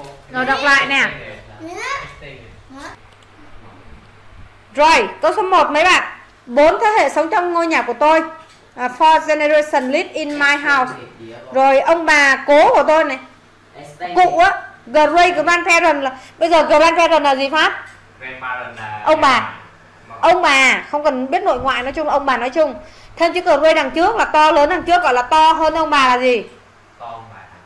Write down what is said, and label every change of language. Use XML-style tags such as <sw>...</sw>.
<vi>Rồi đọc lại nè. Rồi, câu số 1 mấy bạn. Bốn thế hệ sống trong ngôi nhà của tôi.</vi> <en>Four generation live in my house.</en> <vi>Rồi ông bà cố của tôi này. Cụ á, great grandparent là bây giờ grandparent là gì Pháp? Ông bà. Ông bà, không cần biết nội ngoại, nói chung là ông bà nói chung. Thêm chữ cờ rê đằng trước là to lớn đằng trước, gọi là to hơn ông bà là gì? To ông bà.</vi>